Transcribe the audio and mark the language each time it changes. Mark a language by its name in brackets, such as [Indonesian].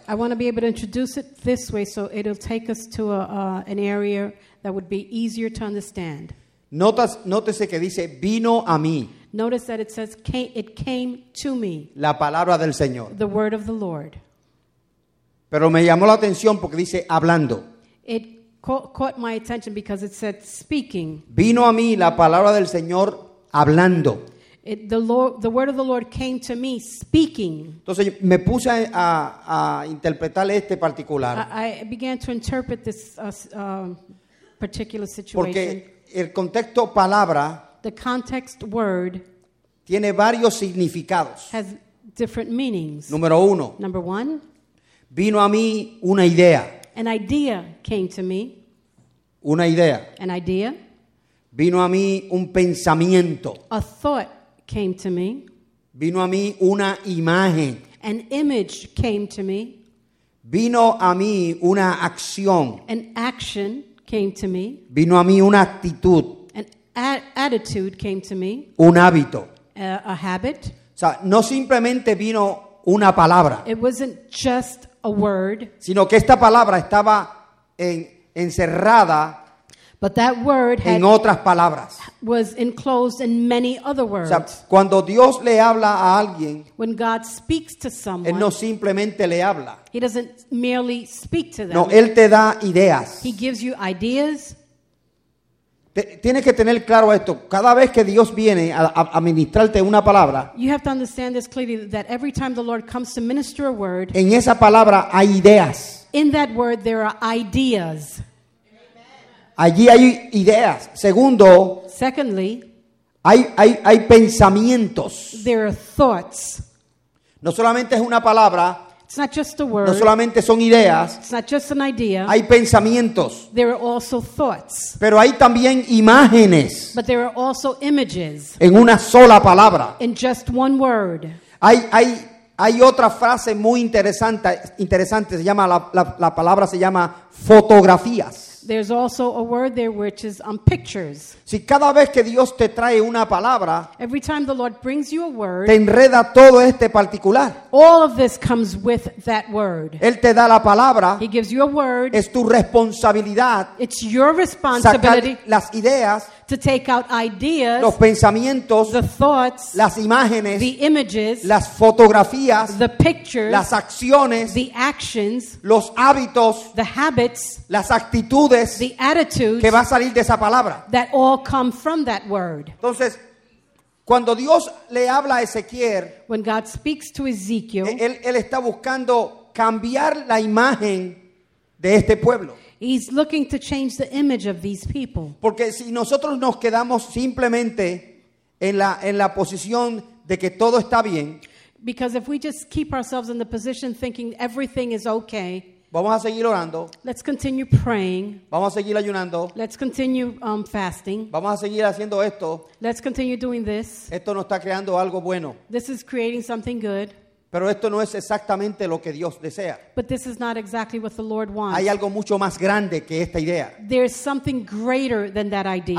[English] I want to be able to introduce it this way so it'll take us to an area that would be easier to understand. [Spanish] Nótese que dice vino a mí. [English] Notice that it says it came to me. [Spanish] La palabra del Señor. [English] The word of the Lord. [Spanish] Pero me llamó la atención porque dice hablando. [English] It caught my attention because it said speaking. [Spanish] Vino a mí la palabra del Señor hablando. [English] The word of the Lord came to me speaking. [Spanish] Entonces me puse a interpretar este particular. [English] I began to interpret this particular situation. [Spanish] Porque el contexto palabra. [English] The context word. [Spanish] Tiene varios significados. [English] Has different meanings. [Spanish] Número uno. [English] Number one. [Spanish] Vino a mí una idea. [English] An idea came to me. [Spanish] Una idea. [English] An idea. [Spanish] Vino a mí un pensamiento. [English] A thought came to me. [Spanish] Vino a mí una imagen. [English] An image came to me. [Spanish] Vino a mí una acción. [English] An action came to me. [Spanish] Vino a mí una actitud. [English] An attitude came to me. [Spanish] Un hábito. [English] A habit. [Spanish] O sea, no simplemente vino una palabra. [English] It wasn't just a word. [Spanish] Sino que esta palabra estaba encerrada. [English] But that word [Spanish] en otras palabras. [English] Was enclosed in many other words. [Spanish] O sea, cuando Dios le habla a alguien, [English] when God speaks to someone, [Spanish] él no simplemente le habla. [English] He doesn't merely speak to them. [Spanish] No, él te da ideas. [English] He gives you ideas. [Spanish] Tienes que tener claro esto. Cada vez que Dios viene a ministrarte una palabra, [English] you have to understand this clearly, that every time the Lord comes to minister a word, [Spanish] en esa palabra hay ideas. [English] In that word there are ideas. [Spanish] Allí hay ideas. Segundo, [English] secondly, [Spanish] hay pensamientos. [English] There are thoughts. [Spanish] No solamente es una palabra. [English] It's not just a word. [Spanish] No solamente son ideas. [English] It's not just an idea. [Spanish] Hay pensamientos. [English] There are also thoughts. [Spanish] Pero hay también imágenes. [English] But there are also images. [Spanish] En una sola palabra. [English] In just one word. [Spanish] Hay otra frase muy interesante. Se llama la palabra se llama fotografías. [English] There's also a word there which is on pictures. [Spanish] Si cada vez que Dios te trae una palabra, [English] every time the Lord brings you a word, [Spanish] te enreda todo este particular. [English] All of this comes with that word. [Spanish] Él te da la palabra. [English] He gives you a word. [Spanish] Es tu responsabilidad. [English] It's your responsibility. [Spanish] Sacar las ideas. [English] To take out ideas. [Spanish] Los pensamientos. [English] The thoughts. [Spanish] Las imágenes. [English] The images. [Spanish] Las fotografías. [English] The pictures. [Spanish] Las acciones. [English] The actions. [Spanish] Los hábitos. [English] The habits. [Spanish] Las actitudes. [English] The attitudes. [Spanish] Que va a salir de esa palabra. [English] That all come from that word. [Spanish] Entonces, cuando Dios le habla a Ezequiel, [English] when God speaks to Ezekiel, [Spanish] él está buscando cambiar la imagen de este pueblo. [English] He's looking to change the image of these people. [Spanish] Porque si nosotros nos quedamos simplemente en la posición de que todo está bien, [English] because if we just keep ourselves in the position thinking everything is okay, [Spanish] vamos a seguir orando. [English] Let's continue praying. [Spanish] Vamos a seguir ayunando. [English] Let's continue fasting. [Spanish] Vamos a seguir haciendo esto. [English] Let's continue doing this. [Spanish] Esto no está creando algo bueno. [English] This is creating something good. [Spanish] Pero esto no es exactamente lo que Dios desea. [English] But this is not exactly what the Lord wants. [Spanish] Hay algo mucho más grande que esta idea. [English] There's something greater than that idea.